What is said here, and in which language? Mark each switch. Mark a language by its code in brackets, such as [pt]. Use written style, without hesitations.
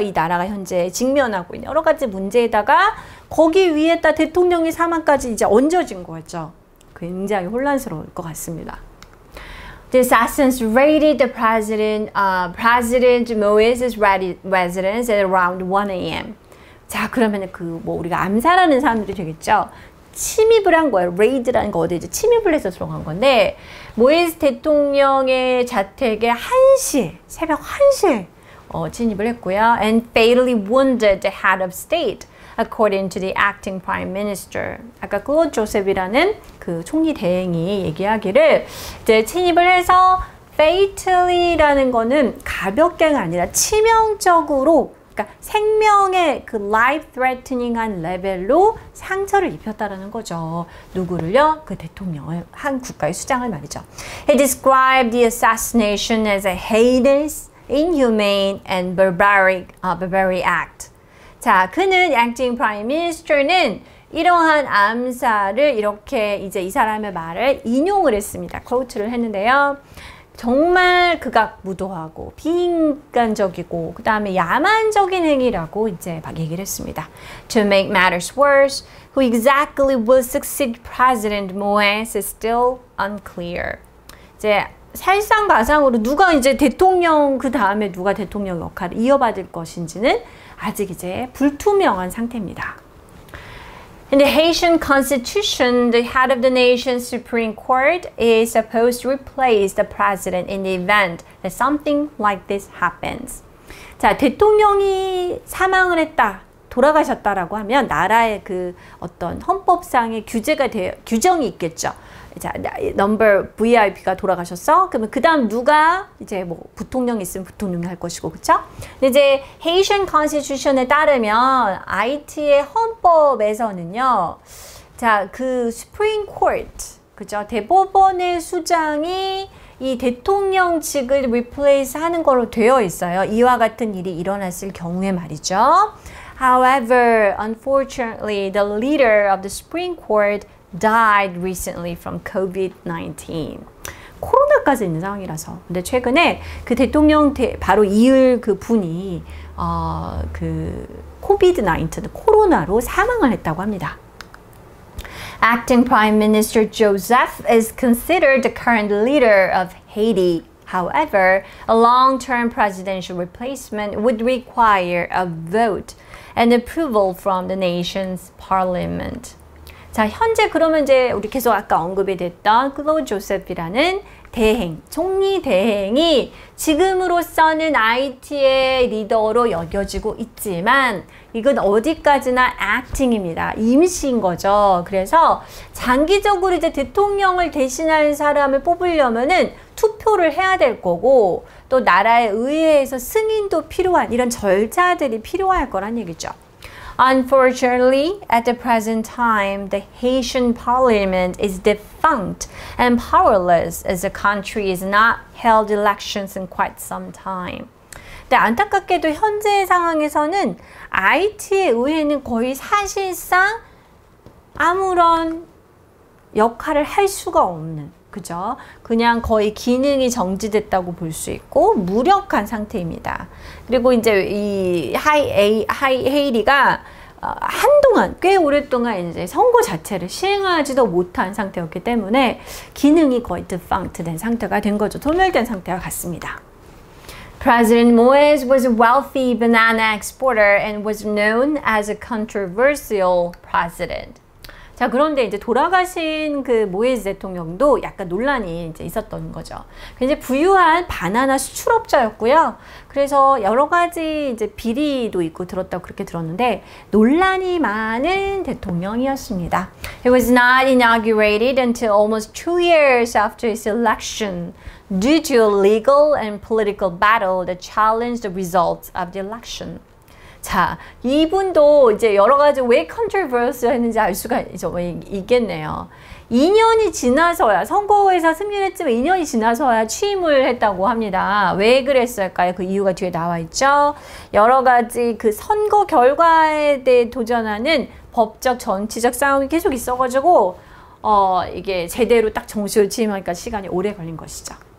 [ko] 이 나라가 현재 직면하고 있는 여러 가지 문제에다가 거기 위에다 대통령이 사망까지 이제 얹어진 거죠. 굉장히 혼란스러울 것 같습니다. [en] The assassins raided the president, President Moïse's residence at around 1 a.m. [ko] 자, 그러면 그 뭐 우리가 암살하는 사람들이 되겠죠. 침입을 한 거예요. raid라는 거 어디에 침입을 해서 들어간 건데 모이스 대통령의 자택에 새벽 1시에 침입을 했고요. [en] And fatally wounded the head of state, according to the acting prime minister. [ko] 아까 클로드 조셉이라는 그 총리 대행이 얘기하기를 이제 침입을 해서 fatally라는 거는 가볍게가 아니라 치명적으로 그러니까 생명의 그 [en] life threatening [ko] 한 레벨로 상처를 입혔다라는 거죠. 누구를요? 그 대통령을, 한 국가의 수장을 말이죠. [en] He described the assassination as a heinous, inhumane, and barbaric act. [ko] 자, 그는 [en] acting prime minister [ko] 는 이러한 암살을 이렇게 이제 이 사람의 말을 인용을 했습니다. quote를 했는데요. 정말 극악무도하고 비인간적이고 그 다음에 야만적인 행위라고 이제 막 얘기를 했습니다. [en] To make matters worse, who exactly will succeed President Moes is still unclear. [ko] 이제 사실상 가상으로 누가 이제 대통령 그 다음에 누가 대통령 역할을 이어받을 것인지는 아직 이제 불투명한 상태입니다. [en] In the Haitian Constitution, the head of the nation's Supreme Court is supposed to replace the president in the event that something like this happens. [ko] 자, 대통령이 사망을 했다, 돌아가셨다라고 하면 나라의 그 어떤 헌법상의 규제가 되어 규정이 있겠죠. 자, [en] number VIP [ko] 가 돌아가셨어. 그러면 그다음 누가 이제 뭐 부통령이 있으면 부통령이 할 것이고, 그렇죠? 이제 [en] Haitian Constitution [ko] 에 따르면 IT의 헌법에서는요. 자, 그 Supreme Court, 그죠? 대법원의 수장이 이 대통령직을 replace 하는 걸로 되어 있어요. 이와 같은 일이 일어났을 경우에 말이죠. [en] However, unfortunately, the leader of the Supreme Court died recently from COVID-19. [ko] 코로나까지 있는 상황이라서. 근데 최근에 그 대통령 바로 이을 그 분이 그 COVID-19, 코로나로 사망을 했다고 합니다. [en] Acting Prime Minister Joseph is considered the current leader of Haiti. However, a long-term presidential replacement would require a vote and approval from the nation's parliament. [ko] 자, 현재 그러면 이제 우리 계속 아까 언급이 됐던 클로드 조셉이라는 대행, 총리 대행이 지금으로서는 IT의 리더로 여겨지고 있지만 이건 어디까지나 acting입니다. 임시인 거죠. 그래서 장기적으로 이제 대통령을 대신할 사람을 뽑으려면은 투표를 해야 될 거고 또 나라의 의회에서 승인도 필요한 이런 절차들이 필요할 거란 얘기죠. [en] Unfortunately, at the present time, the Haitian parliament is defunct and powerless as the country has not held elections in quite some time. [ko] 근데 안타깝게도 현재 상황에서는 IT의 의회는 거의 사실상 아무런 역할을 할 수가 없는, 그죠? 그냥 거의 기능이 정지됐다고 볼 수 있고 무력한 상태입니다. 그리고 이제 이 하이티가 한동안 꽤 오랫동안 이제 선거 자체를 시행하지도 못한 상태였기 때문에 기능이 거의 defunct 된 상태가 된 거죠. 소멸된 상태와 같습니다. [en] President Moes was a wealthy banana exporter and was known as a controversial president. [ko] 자, 그런데 이제 돌아가신 그 모에즈 대통령도 약간 논란이 이제 있었던 거죠. 굉장히 부유한 바나나 수출업자였고요. 그래서 여러 가지 이제 비리도 있고 들었다고 그렇게 들었는데 논란이 많은 대통령이었습니다. [en] He was not inaugurated until almost 2 years after his election due to a legal and political battle that challenged the results of the election. [ko] 자, 이분도 이제 여러 가지 왜 컨트리버스 했는지 알 수가 있겠네요. 2년이 지나서야, 선거에서 승리를 했지만 2년이 지나서야 취임을 했다고 합니다. 왜 그랬을까요? 그 이유가 뒤에 나와 있죠. 여러 가지 그 선거 결과에 대해 도전하는 법적, 정치적 싸움이 계속 있어가지고, 이게 제대로 딱 정식으로 취임하니까 시간이 오래 걸린 것이죠.